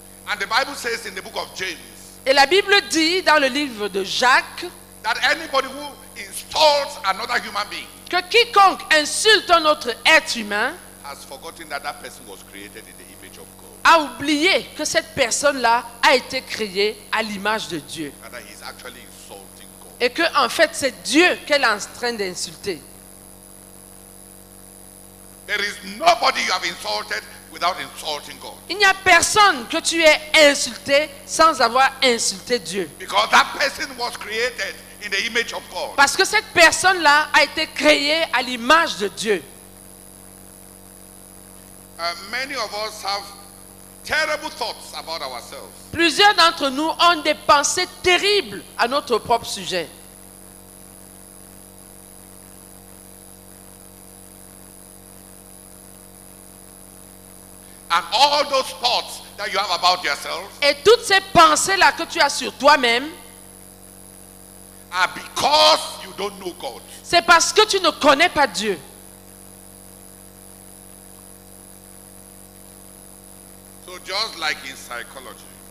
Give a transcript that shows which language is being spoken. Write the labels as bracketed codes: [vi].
[en] And the Bible says in the book of James, [fr] et la Bible dit dans le livre de Jacques [en] that anybody who insults another human being, [fr] que quiconque insulte un autre être humain [en] has forgotten that that person was created in the image of God. [fr] A oublié que cette personne-là a été créée à l'image de Dieu. [en] And that he's actually insulting God. [fr] Et que en fait c'est Dieu qu'elle est en train d'insulter. [en] There is nobody you have insulted without insulting God. [fr] Il n'y a personne que tu aies insulté sans avoir insulté Dieu. [en] Because that person was created in the image of God. [fr] Parce que cette personne-là a été créée à l'image de Dieu. [en] Many of us have terrible thoughts about ourselves. [fr] Plusieurs d'entre nous ont des pensées terribles à notre propre sujet. [en] And all those thoughts that you have about yourself, [fr] et toutes ces pensées là que tu as sur toi-même, [en] are because you don't know God. [fr] C'est parce que tu ne connais pas Dieu. [en] So just like in psychology,